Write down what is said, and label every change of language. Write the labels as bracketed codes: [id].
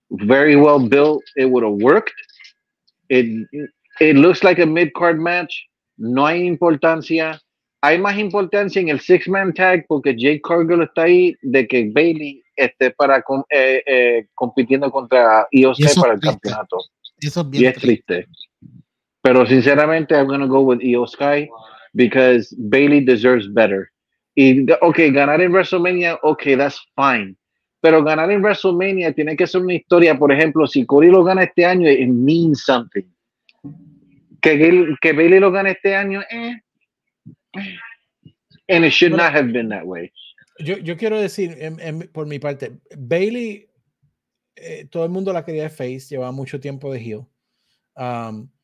[en] Very well built, it would have worked. It looks like a mid-card match. [es] No hay importancia. Hay más importancia en el six-man tag porque Jade Cargill está ahí de que Bayley esté para compitiendo contra Io Sky para el campeonato. Eso es bien triste. Pero sinceramente, [en] I'm going to go with Io Sky because Bayley deserves better. [es] Y, okay, ganar en WrestleMania, okay, [en] that's fine. [es] Pero ganar en WrestleMania tiene que ser una historia. Por ejemplo, si Cody lo gana este año, [en] it means something. [es] Que Bayley lo gane este año, [en] and it should not have been that way. [es] Yo quiero decir, por mi parte, Bayley, todo el mundo la quería de face, llevaba mucho tiempo de heel.